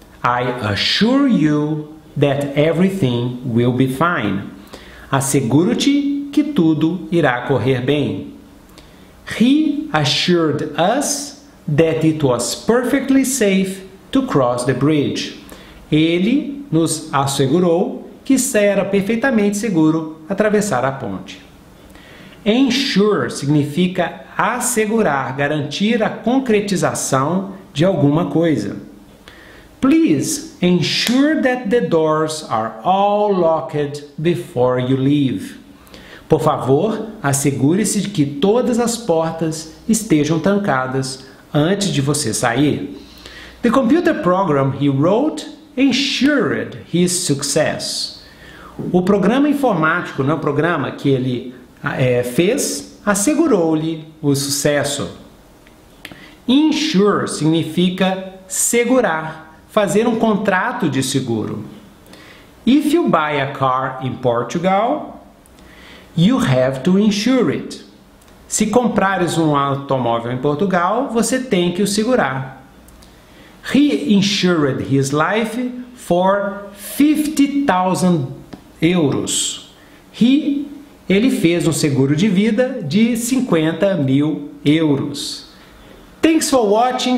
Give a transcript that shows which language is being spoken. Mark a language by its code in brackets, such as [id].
[en] I assure you that everything will be fine. [pt] Asseguro-te que tudo irá correr bem. [en] He assured us that it was perfectly safe to cross the bridge. [pt] Ele nos assegurou que era perfeitamente seguro atravessar a ponte. Ensure significa assegurar, garantir a concretização de alguma coisa. [en] Please ensure that the doors are all locked before you leave. [pt] Por favor, assegure-se de que todas as portas estejam trancadas antes de você sair. [en] The computer program he wrote ensured his success. [pt] O programa informático, não é o programa que ele fez, assegurou-lhe o sucesso. Insure significa segurar. Fazer um contrato de seguro. [en] If you buy a car in Portugal, you have to insure it. [pt] Se comprares um automóvel em Portugal, você tem que o segurar. [en] He insured his life for 50,000 euros. [pt] Ele fez um seguro de vida de 50 mil euros. [en] Thanks for watching.